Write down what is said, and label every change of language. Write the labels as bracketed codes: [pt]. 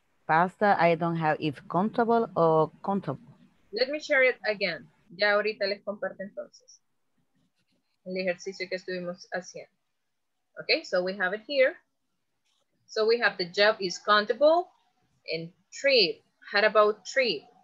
[en] Pasta, I don't have if countable or countable. Let me share it again. [es] Ya ahorita les comparto entonces el ejercicio que estuvimos haciendo. [en] Okay, so we have it here. So we have the job is countable and trip. How about trip?